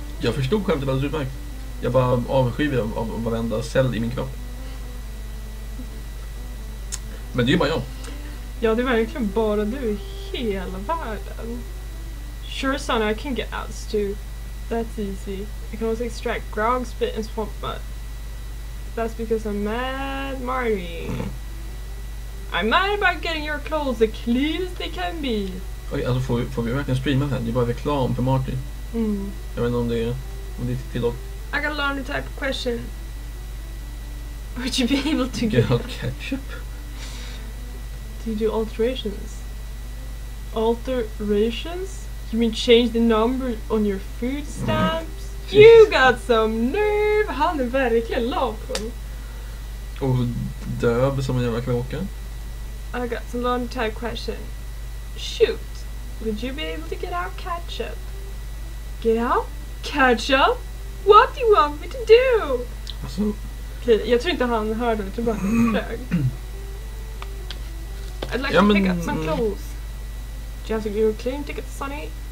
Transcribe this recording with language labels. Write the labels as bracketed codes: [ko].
[sv] Jag förstod skämtet väldigt utmärkt. Jag bara avskriver av varenda cell i min kropp. Men det är bara jag. Ja, det är verkligen bara du i hela världen. [en] Sure, son, I can get out too. That's easy. I can also extract grog, spit, and swamp mud. That's because I'm mad Marty. I'm mad about getting your clothes the cleanest they can be. [sv] Okej, alltså får vi verkligen streama det här? Det är bara reklam för Marty. Mm. Jag vet inte om det är tillåt. [en] I got a laundry type of question. Would you be able to get out ketchup? Do you do alterations? Alterations? You mean change the number on your food stamps? Mm. You got some nerve! [sv] Han är verkligen lapen. Och döv som en jävla kråka. [en] I got some laundry type question. Shoot! Would you be able to get out ketchup? Get out ketchup? What do you want me to do? [sv] Alltså... Okej, jag tror inte han hörde, jag tror bara han flög. [en] I'd like to pick up some clothes. Do you have your clean ticket, Sonny?